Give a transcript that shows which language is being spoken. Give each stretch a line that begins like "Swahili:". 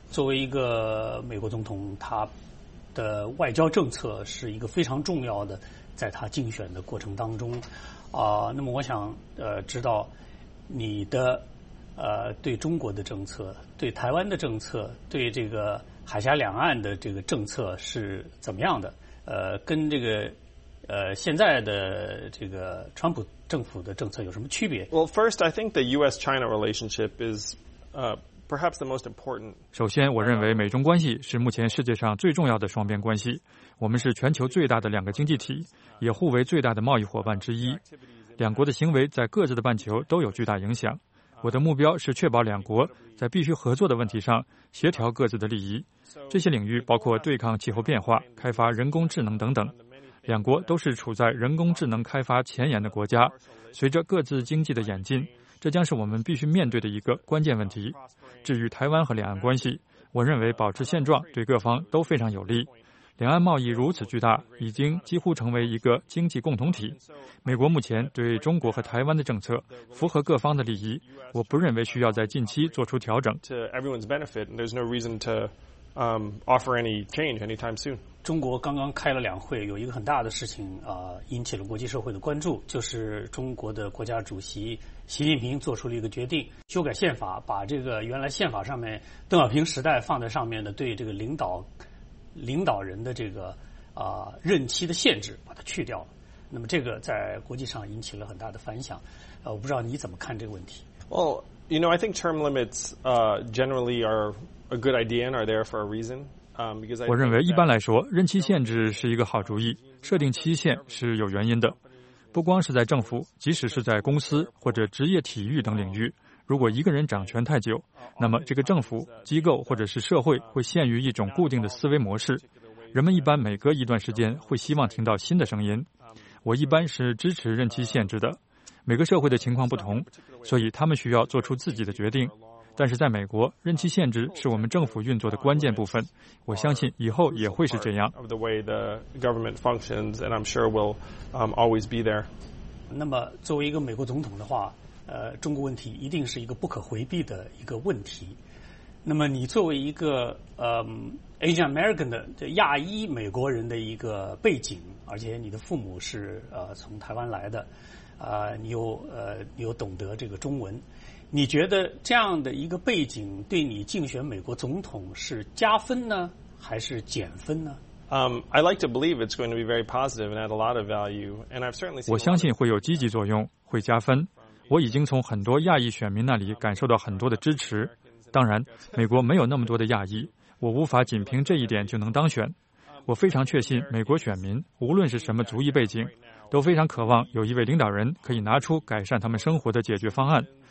Chinese: 作为一个美国总统，他的外交政策是一个非常重要的，在他竞选的过程当中，那么我想知道你的对中国的政策、对台湾的政策、对这个海峡两岸的这个政策是怎么样的？跟这个现在的这个川普政府的政策有什么区别？
English: Well, first, I think the U.S.-China relationship is perhaps the most important.
Chinese: 首先，我认为美中关系是目前世界上最重要的双边关系。我们是全球最大的两个经济体，也互为最大的贸易伙伴之一。两国的行为在各自的半球都有巨大影响。我的目标是确保两国在必须合作的问题上协调各自的利益。这些领域包括对抗气候变化、开发人工智能等等。两国都是处在人工智能开发前沿的国家，随着各自经济的演进，这将是我们必须面对的一个关键问题。至于台湾和两岸关系，我认为保持现状对各方都非常有利。两岸贸易如此巨大，已经几乎成为一个经济共同体。美国目前对中国和台湾的政策符合各方的利益，我不认为需要在近期做出调整。
English: To everyone's benefit, and there's no reason to offer any change anytime soon.
Chinese: 中国刚刚开了两会，有一个很大的事情引起了国际社会的关注，就是中国的国家主席习近平做出了一个决定，修改宪法，把这个原来宪法上面邓小平时代放在上面的对这个领导人的这个任期的限制把它去掉了。那么这个在国际上引起了很大的反响，我不知道你怎么看这个问题。
English: Well, you know, I think term limits generally are a good idea and are there for a reason.
Chinese: 我认为一般来说，任期限制是一个好主意，设定期限是有原因的。不光是在政府，即使是在公司或者职业体育等领域，如果一个人掌权太久，那么这个政府、机构或者是社会会陷于一种固定的思维模式。人们一般每隔一段时间会希望听到新的声音。我一般是支持任期限制的。每个社会的情况不同，所以他们需要做出自己的决定。但是在美国，任期限制是我们政府运作的关键部分，我相信以后也会是这样。
English: Of the way the government functions, and I'm sure will always be there.
Chinese: 那么作为一个美国总统的话，中国问题一定是一个不可回避的一个问题。那么你作为一个Asian American 的亚裔美国人的一个背景，而且你的父母是从台湾来的，你有懂得这个中文。你觉得这样的一个背景对你竞选美国总统是加分呢，还是减分呢？
English: I like to believe it's going to be very positive and add a lot of value, and I've certainly.
Chinese: 我相信会有积极作用，会加分。我已经从很多亚裔选民那里感受到很多的支持。当然，美国没有那么多的亚裔，我无法仅凭这一点就能当选。我非常确信美国选民，无论是什么族裔背景，都非常渴望有一位领导人可以拿出改善他们生活的解决方案。